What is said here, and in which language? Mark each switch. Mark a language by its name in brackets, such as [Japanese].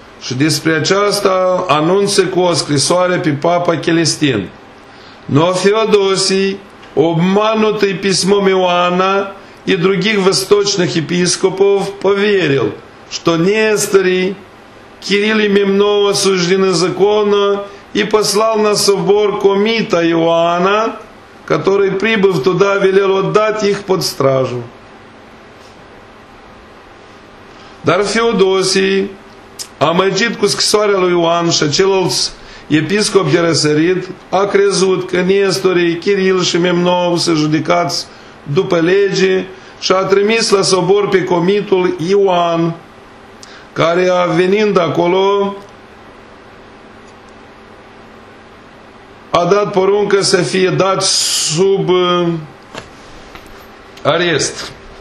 [Romanian] Și despre aceasta anunță cu o scrisoare pe Papa Celestin. [Russian] Но Феодосий, обманутый письмом Иоанна и других восточных епископов, поверил, что Несторий, Кирилл и Мемнон осуждены законно, и послал на собор комита Иоанна, который, прибыв туда, велел отдать их под стражу. [Romanian] Dar Феодосий, amăgit cu scrisoarea lui Ioan și celălalt episcop de răsărit, a crezut că Nestorii, Chiril și Memnon sunt judecați după lege și a trimis la sobor pe comitul Ioan, care a venind acolo a dat poruncă să fie dat sub arest.